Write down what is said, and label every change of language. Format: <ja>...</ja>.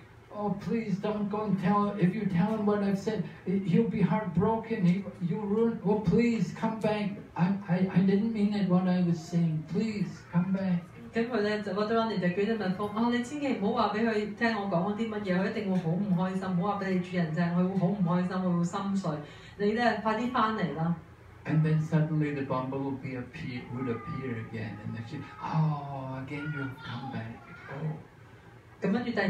<en>Oh, please don't go and tell, if you tell him what I've said, he'll be heartbroken, you'll ruin, well, please come back, I didn't mean it what I was saying, please come back.</en> <zh>然後他就叫蜜蜂,你千萬不要告訴他聽我說過什麼,他一定會很不開心,不要告訴你主人,他會很不開心,他會心碎,你快點回來吧。</zh> <en>And then suddenly the bumblebee would appear again, and then she, oh, again you'll come back, oh.</en>